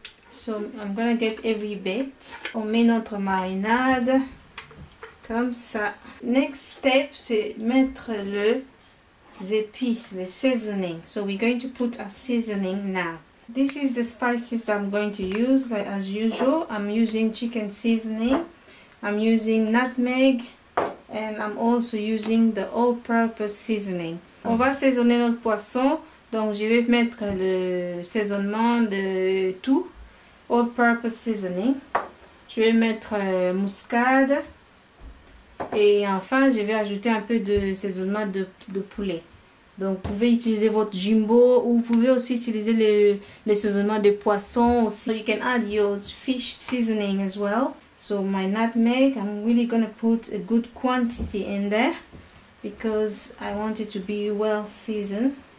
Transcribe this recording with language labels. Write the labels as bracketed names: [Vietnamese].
[English] So I'm gonna get every bit. [French] On met notre marinade comme ça. [English] Next step, [French] c'est mettre les épices, le seasoning. [English] So we're going to put a seasoning now. This is the spices that I'm going to use. Like as usual, I'm using chicken seasoning. I'm using nutmeg, and I'm also using the all-purpose seasoning. [French] On va saisonner notre poisson. Donc je vais mettre le saisonnement de tout. [English] All-purpose seasoning. [French] Je vais mettre muscade. Et enfin, je vais ajouter un peu de saisonnement de poulet. Donc, vous pouvez utiliser votre jumbo ou vous pouvez aussi utiliser le saisonnement de poisson aussi. [English] So you can add your fish seasoning as well. So my nutmeg, I'm really gonna put a good quantity in there because I want it to be well seasoned.